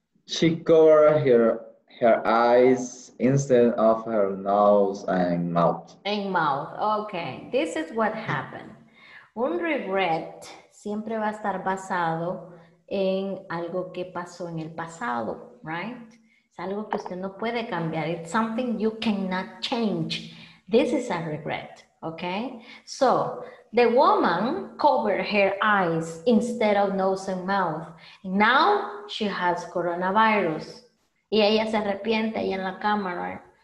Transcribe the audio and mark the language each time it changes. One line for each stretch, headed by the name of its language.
English: She covered her eyes instead of her nose and mouth. And mouth. Okay, this is what happened.
Spanish: Un regret siempre va a estar basado en algo que pasó en el pasado, right? Algo que usted no puede cambiar.
English: It's something you cannot change. This is a regret, okay? So, the woman covered her eyes instead of nose and mouth. Now, she has coronavirus.
Spanish: Y ella se arrepiente ahí en la cámara.